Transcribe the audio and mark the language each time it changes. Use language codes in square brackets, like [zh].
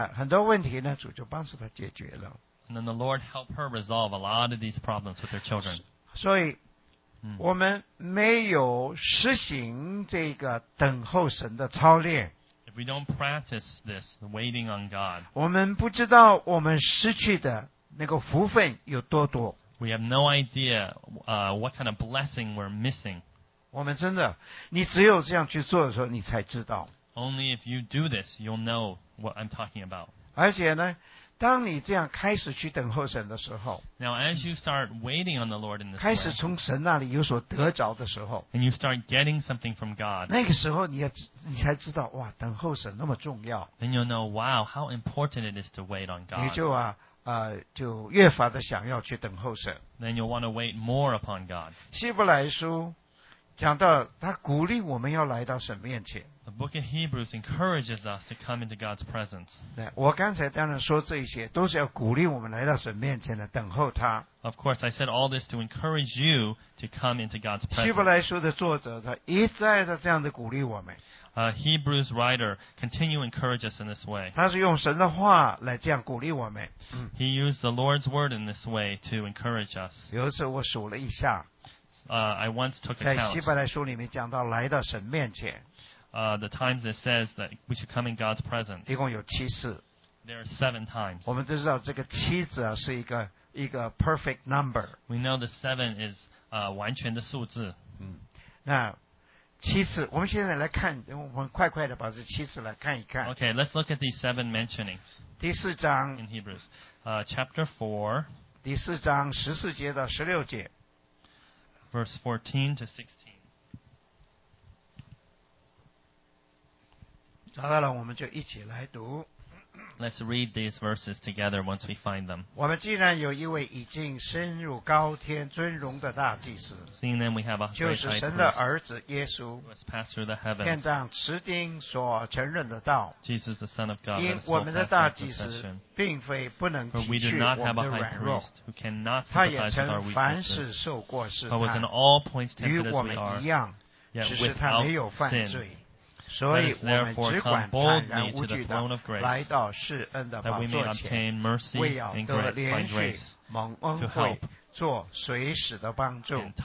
[zh] 很多问题呢，主就帮助她解决了。 [en] And then the Lord helped her resolve a lot of these problems with their children. [zh] 所以我们没有实行这个等候神的操练。 [en] If we don't practice this, the waiting on God, [zh] 我们不知道我们失去的那个福分有多多。 [en] We have no idea, what kind of blessing we're missing. [zh] 我们真的，你只有这样去做的时候，你才知道。 [en] Only if you do this, you'll know what I'm talking about. [zh] 而且呢当你这样开始去等候神的时候 [en] Now, as you start waiting on the Lord in this [zh] 开始从神那里有所得着的时候 [en] And you start getting something from God [zh] 那个时候你才知道哇等候神那么重要 [en] Then you'll know, wow, how important it is to wait on God [zh] 你就啊就越发的想要去等候神 [en] Then you'll want to wait more upon God [zh] 希伯来书讲到他鼓励我们要来到神面前 [en] The book of Hebrews encourages us to come into God's presence. [zh] 对，我刚才当然说这些都是要鼓励我们来到神面前的等候他 [en] Of course, I said all this to encourage you to come into God's presence. [zh] 希伯来书的作者他一再的这样的鼓励我们 [en] Hebrews writer continue encourage us in this way. [zh] 他是用神的话来这样鼓励我们 [en] He used the Lord's word in this way to encourage us. [zh] 有一次我数了一下 [en] I once took account. [zh] 在希伯来书里面讲到来到神面前。 [en] The times it says that we should come in God's presence. [zh] 一共有七次。 [en] There are 7 times. [zh] 我们都知道这个七字啊是一个 [en] perfect number. We know the 7 is [zh] 完全的数字。那七次，我们现在来看，我们快快的把这七次来看一看。 [en] Okay, let's look at these 7 mentionings. [zh] 第四章。 [en] In Hebrews, chapter 4. [zh] 第四章14节到16节。 [en] Verse 14 to 16. [zh] 找到了，我们就一起来读。 [en] Let's read these verses together once we find them. [zh] 我们既然有一位已经升入高天尊荣的大祭司， [en] Seeing them we have a great high priest, [zh] 就是神的儿子耶稣， [en] who has passed through the heavens, [zh] 天上持钉所承认的道。 [en] Jesus the Son of God, [zh] 因我们的大祭司并非不能体恤我们的软弱。 [en] For we do not have a high priest who cannot sympathize with our weaknesses. [zh] 他也曾凡事受过试探， [en] but was in all points tempted as we are, [zh] 与我们一样，只是他没有犯罪。所以我们只管坦然无惧地来到施恩的宝座前，为要得连续蒙恩惠，做随时的帮助。